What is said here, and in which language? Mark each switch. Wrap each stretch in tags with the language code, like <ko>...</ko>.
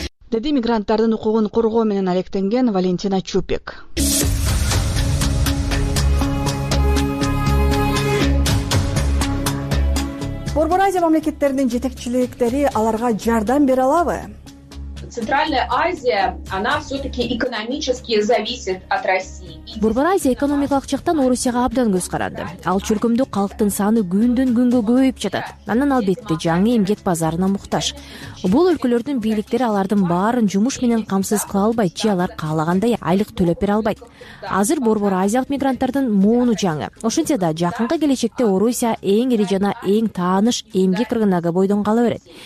<ky>Деди мигранттардын укугун коргоо менен алектенген Валентина Чупик. Борбор Азия мамлекеттеринин жетекчиликтери аларга жардам бере алабы?</ky> <ru>Центральная Азия, она все-таки экономически зависит от России.</ru> <ky>Борбор Азия экономикалык жактан Орусияга абдан көз каранды. Ал чүркүмдүү калктын саны күндөн күнгө көбөйүп жатат. Анан албетте жаңы эмгек базарына муктаж. Бул өлкөлөрдүн бийликтери алардын баарын жумуш менен камсыз кыла албайт, же алар каалагандай айлык төлөп бере албайт. Азыр борбор азиялык мигранттардын мууну жаңы. Ошентсе да жакынкы келечекте Орусия эң ири жана эң тааныш эмгек рыногу бойдон кала берет.</ky>